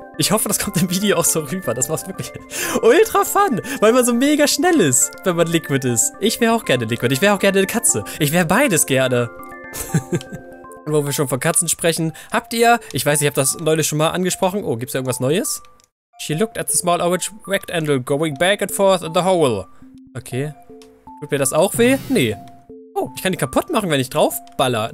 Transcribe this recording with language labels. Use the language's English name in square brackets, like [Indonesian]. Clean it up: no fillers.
[German] Ich hoffe, das kommt im Video auch so rüber. Das macht wirklich ultra fun, weil man so mega schnell ist, wenn man Liquid ist. Ich wäre auch gerne Liquid. Ich wäre auch gerne eine Katze. Ich wäre beides gerne. Wo wir schon von Katzen sprechen. Habt ihr, ich weiß, ich habe das neulich schon mal angesprochen. Oh, gibt es irgendwas Neues? [English] She looked at the small orange rectangle going back and forth in the hole. [German] Okay. Tut mir das auch weh? Nee. Oh, ich kann die kaputt machen, wenn ich drauf baller.